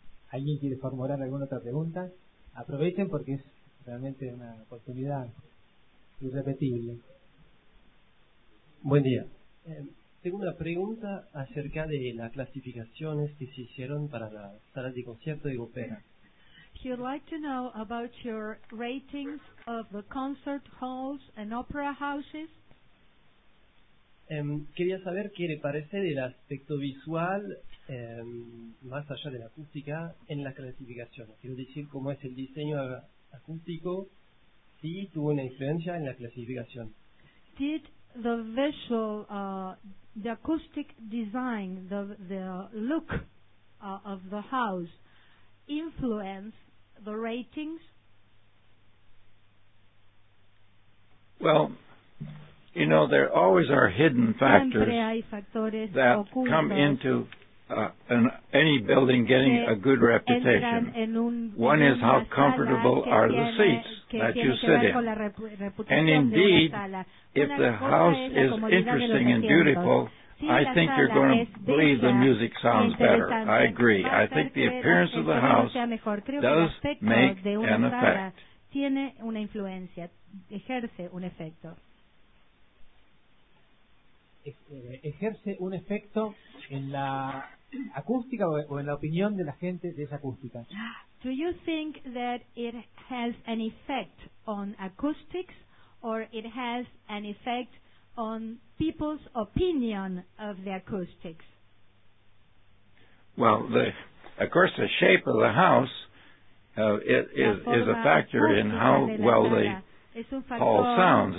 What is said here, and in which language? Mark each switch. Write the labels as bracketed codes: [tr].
[es] ¿Alguien quiere formular alguna otra pregunta? Aprovechen porque es realmente una oportunidad irrepetible. Buen día. Tengo una pregunta acerca de las clasificaciones que se hicieron para las salas de concierto y ópera. [en] He'd like to know about your ratings of the concert halls and opera houses. [es] Quería saber qué le parece del aspecto visual, más allá de la acústica, en las clasificaciones. Quiero decir, cómo es el diseño acústico, si tuvo una influencia en la clasificación. [en] Did the visual, the acoustic design, the look of the house influence the ratings? Well, you know, there always are hidden factors that come into any building getting a good reputation. One is how comfortable are the seats that you sit in. And indeed, if the house is interesting and beautiful, I think you're going to believe the music sounds better. I agree. I think the appearance of the house does make an effect. [es] Tiene una influencia, ejerce un efecto. Ejerce un efecto en la acústica o en la opinión de la gente de esa acústica. [en] Do you think that it has an effect on acoustics or it has an effect on people's opinion of the acoustics? Well, of course, the shape of the house is a factor in how well the hall sounds.